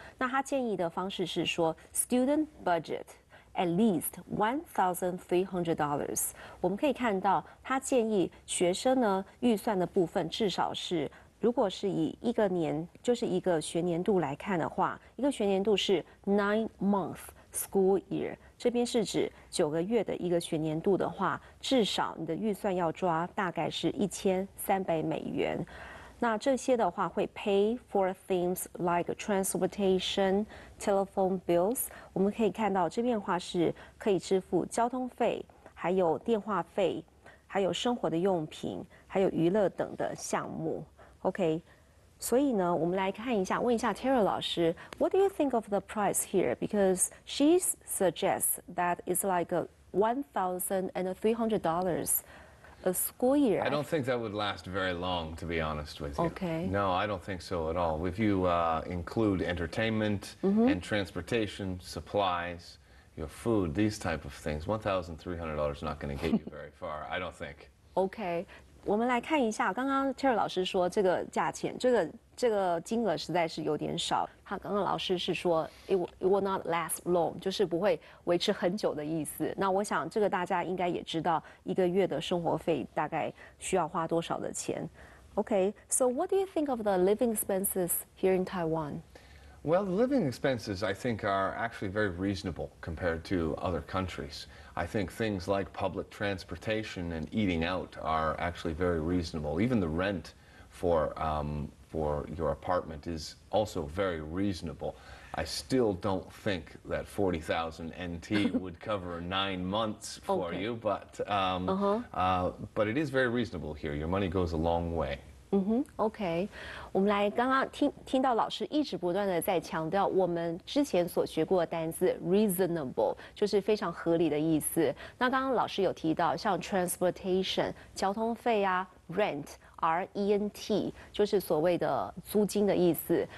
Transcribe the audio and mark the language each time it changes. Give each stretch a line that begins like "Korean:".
Chinese: 那他建议的方式是说
English: Student Budget at least $1,300。
Chinese: 我们可以看到他建议学生呢预算的部分至少是如果是以一个年，就是一个学年度来看的话，一个学年度是
English: 9 month school year，
Chinese: 这边是指九个月的一个学年度的话，至少你的预算要抓大概是$1,300。那这些的话会
English: pay for things like transportation, telephone bills.
Chinese: 我们可以看到这边的话是可以支付交通费，还有电话费，还有生活的用品，还有娱乐等的项目。 OK， 所以呢，我们来看一下，问一下 Tara 老师 ，
English: What do you think of the price here? Because she suggests that it's like $1,300 a school year. I don't think that would last very long, to be honest with you. Okay. No, I don't think so at all. If you include entertainment mm-hmm. and transportation, supplies, your food, these type of things, $1,300 is not going to get you very far. I don't think. Okay.
Chinese: 我们来看一下，刚刚 Terry 老师说这个价钱，这个金额实在是有点少。他刚刚老师是说
English: it will not last long，
Chinese: 就是不会维持很久的意思。那我想这个大家应该也知道，一个月的生活费大概需要花多少的钱。
English: Okay, so what do you think of the living expenses here in Taiwan? Well, the living expenses I think are actually very reasonable compared to other countries. I think things like public transportation and eating out are actually very reasonable. Even the rent for your apartment is also very reasonable. I still don't think that 40,000 NT would cover 9 months for okay. you, but it is very reasonable here. Your money goes a long way.
Chinese: 嗯哼 ，OK， 我们来刚刚听到老师一直不断的在强调我们之前所学过的单字 reasonable， 就是非常合理的意思。那刚刚老师有提到像 transportation 交通费啊 ，rent R E N T 就是所谓的租金的意思。